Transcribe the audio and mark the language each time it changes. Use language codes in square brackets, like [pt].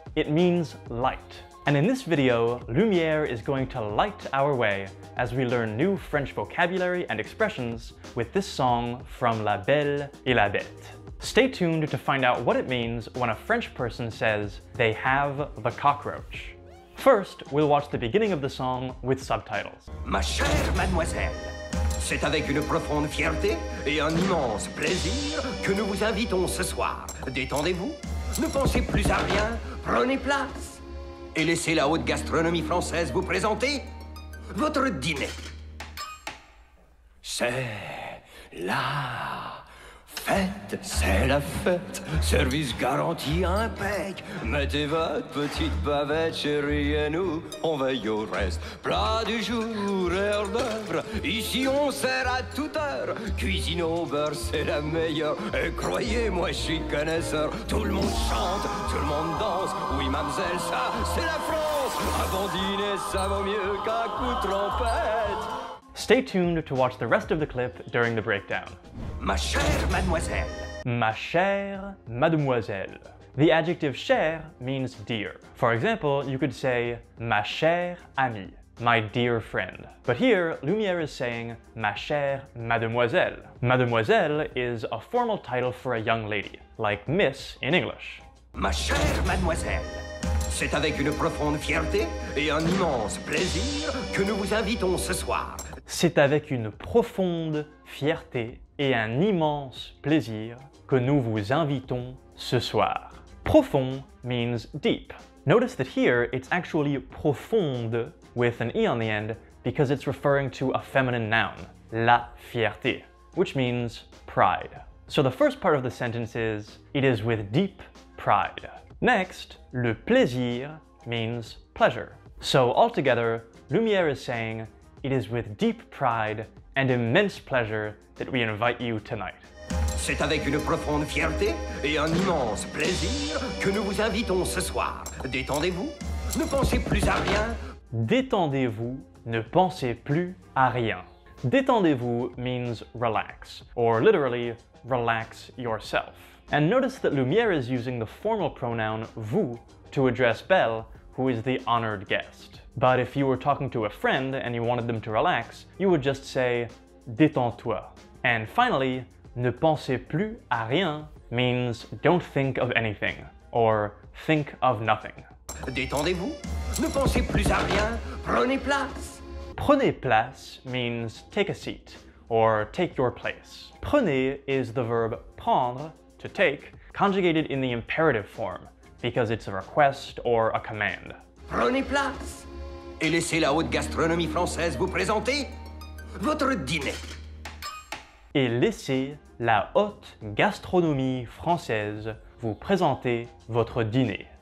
[en] It means light. And in this video, Lumière is going to light our way as we learn new French vocabulary and expressions with this song from La Belle et la Bête. Stay tuned to find out what it means when a French person says they have the cockroach. First, we'll watch the beginning of the song with subtitles. [fr] Ma chère mademoiselle, c'est avec une profonde fierté et un immense plaisir que nous vous invitons ce soir. Détendez-vous, ne pensez plus à rien, prenez place et laissez la haute gastronomie française vous présenter votre dîner. C'est la fête, c'est la fête, service garanti impec. Mettez votre petite bavette, chérie, et nous, on veille au reste. Plat du jour, heure d'œuvre, ici on sert à toute heure. Cuisine au beurre, c'est la meilleure, et croyez-moi, je suis connaisseur. Tout le monde chante, tout le monde danse, oui, mamselle, ça, c'est la France. Avant dîner, ça vaut mieux qu'un coup de trompette. [en] Stay tuned to watch the rest of the clip during the breakdown. [fr] Ma chère mademoiselle. Ma chère mademoiselle. [en] The adjective chère means dear. For example, you could say [fr] ma chère amie, [en] my dear friend. But here, Lumière is saying [fr] ma chère mademoiselle. [en] Mademoiselle is a formal title for a young lady, like miss in English. [fr] Ma chère mademoiselle. C'est avec une profonde fierté et un immense plaisir que nous vous invitons ce soir. C'est avec une profonde fierté et un immense plaisir que nous vous invitons ce soir. [en] Profond means deep. Notice that here it's actually profonde with an E on the end because it's referring to a feminine noun, la fierté, which means pride. So the first part of the sentence is, it is with deep pride. Next, le plaisir means pleasure. So altogether, Lumière is saying, it is with deep pride and immense pleasure that we invite you tonight. [fr] C'est avec une profonde fierté et un immense plaisir que nous vous invitons ce soir. Détendez-vous, ne pensez plus à rien. Détendez-vous, ne pensez plus à rien. [en] Détendez-vous means relax, or literally, relax yourself. And notice that Lumière is using the formal pronoun vous to address Belle, who is the honored guest. But if you were talking to a friend and you wanted them to relax, you would just say détends-toi. And finally, [fr] ne pensez plus à rien [en] means don't think of anything or think of nothing. [fr] Détendez-vous, ne pensez plus à rien, prenez place. Prenez place [en] means take a seat or take your place. Prenez is the verb prendre, to take, conjugated in the imperative form because it's a request or a command. [fr] Prenez place. Et laissez la haute gastronomie française vous présenter votre dîner. Et laissez la haute gastronomie française vous présenter votre dîner.